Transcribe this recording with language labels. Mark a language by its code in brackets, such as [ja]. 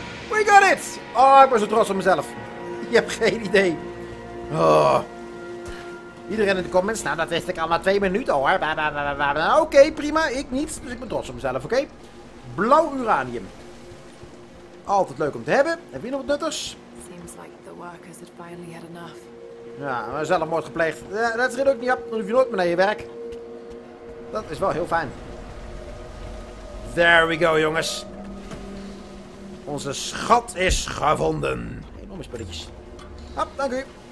[en] We got it! [nl] Oh, ik ben zo trots op mezelf. Je hebt geen idee. Oh. Iedereen in de comments, nou dat wist ik al na 2 minuten hoor. Oké, prima, ik niet. Dus ik ben trots op mezelf, oké? Blauw uranium. Altijd leuk om te hebben. Heb je nog wat nuttigs? [en] Seems like the workers had finally had enough. [nl] Ja, maar zelfmoord gepleegd. Dat schiet ook niet op. Dan hoef je nooit meer naar je werk. Dat is wel heel fijn. [en] There we go, [nl] jongens. Onze schat is gevonden. Enorme spulletjes. Hop, dank u.